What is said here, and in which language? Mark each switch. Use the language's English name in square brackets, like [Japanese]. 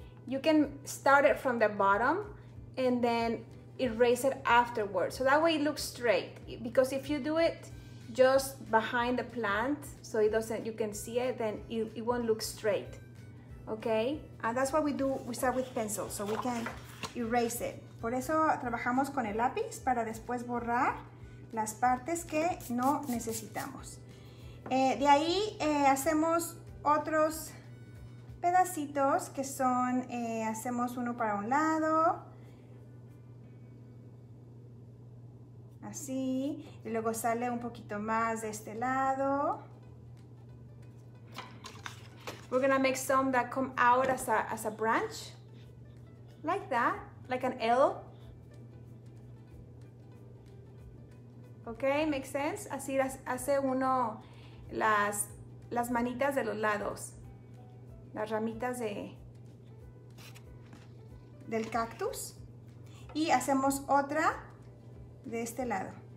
[English] You can start it from the bottom and then erase it afterwards. So that way it looks straight. Because if you do it just behind the plant, so it doesn't, you can see it, then it won't look straight. Okay? And that's what we do, we start with pencil, so we can erase it. [Spanish] Por eso trabajamos con el lápiz para después borrar las partes que no necesitamos. De ahí hacemos otros pedacitos que son, hacemos uno para un lado, así, y luego sale un poquito más de este lado. [English] We're gonna make some that come out as a branch, like that, like an L. Okay, makes sense. [Spanish] Así hace uno las manitas de los lados, las ramitas del cactus, y hacemos otra de este lado.